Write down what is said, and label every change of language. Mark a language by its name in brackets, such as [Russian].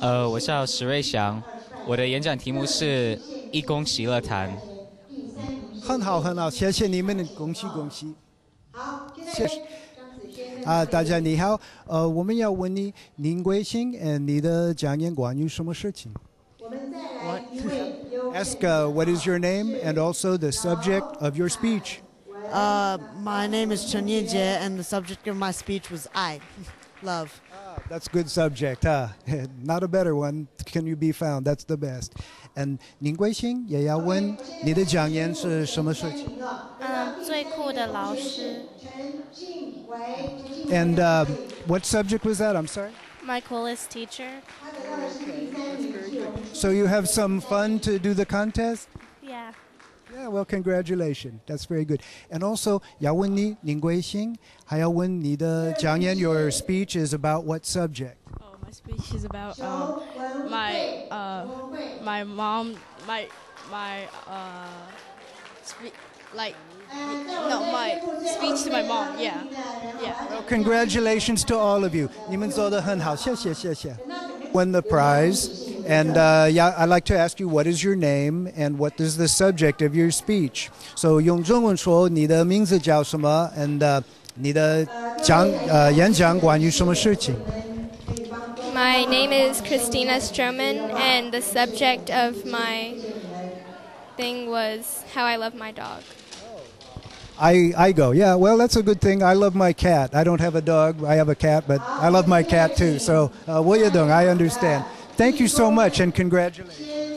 [Chinese] 我叫石瑞祥，我的演讲题目是《一公喜乐谈》。很好很好，谢谢你们的恭喜恭喜。好，谢谢。大家你好，我们要问你林桂星，你的讲演关于什么事情？我们再来一位。 [English] Ask what is your name and also the subject of your speech. My name is Chen Yijie and the subject of my speech was I, love. That's a good subject, huh? Not a better one can you be found? That's the best. [Chinese] And 林桂星也要问你的讲演是什么事情？最酷的老师。 [English] And what subject was that? I'm sorry. My coolest teacher. So you have some fun to do the contest? Yeah. Yeah. Well, congratulations. That's very good. And also, [Chinese] 要问你林桂星，还要问你的讲演。 [English] Your speech is about what subject? Oh, my speech is about speech to my mom. Yeah. Well, congratulations to all of you. [Chinese] 你们做得很好，谢谢谢谢。 [English] Win the prize. And I'd like to ask you, what is your name and what is the subject of your speech? [Chinese] So 用中文说你的名字叫什么 and 你的演讲关于什么事情。 [English] My name is Christina Stroman and the subject of my thing was how I love my dog. I go, yeah, well, that's a good thing. I love my cat. I don't have a dog. I have a cat, but I love my cat too. So, Wei Yedong, I understand. Thank you so much and congratulations.